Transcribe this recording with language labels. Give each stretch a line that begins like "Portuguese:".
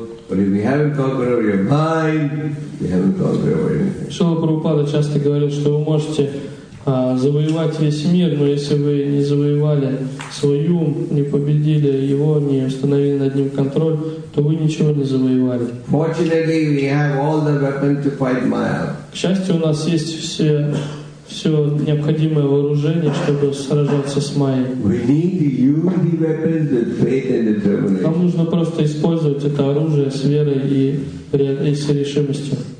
English: But if we haven't conquered your mind, we haven't conquered anything.
Russian: Шрила Прабхупада часто говорил, что вы можете завоевать весь мир, но если вы не завоевали свой ум, не победили его, не установили над ним контроль, то вы ничего не завоевали.
English: Fortunately, we have all the weapons to fight Maya.
Russian: К счастью, у нас есть все необходимое вооружение, чтобы сражаться с Майей. Нам нужно просто использовать это оружие с верой и с решимостью.